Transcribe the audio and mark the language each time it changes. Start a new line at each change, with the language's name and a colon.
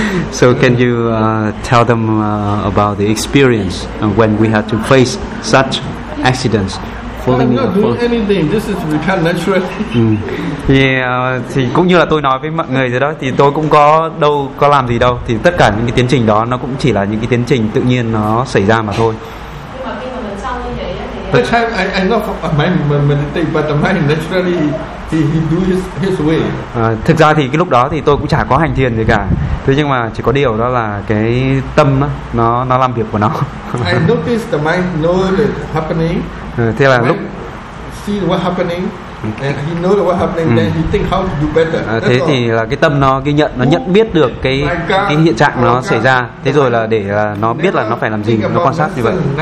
English: So can you tell them about the experience when we had to face such accidents? Falling I'm not doing anything. This is we can naturally.
Vietnamese: Yeah, thì cũng như là tôi nói với mọi người rồi đó, thì tôi cũng có đâu có làm gì đâu, thì tất cả những cái tiến trình đó nó cũng chỉ là những cái tiến trình tự nhiên nó xảy ra mà thôi.
English: The time I know my meditate, but the mind naturally he do his way.
Vietnamese: Thực ra thì cái lúc đó thì tôi cũng chả có hành thiền gì cả. Thế nhưng mà chỉ có điều đó là cái tâm nó làm việc của nó.
English: I notice the mind know what's happening.
Vietnamese: Thế là lúc
English: see what happening. And he know what happening, then he think how to do better.
Vietnamese: Thế thì là cái tâm nó ghi nhận, nó nhận biết được cái hiện trạng nó xảy ra. Thế rồi là để nó biết là nó phải làm gì, nó quan sát như vậy.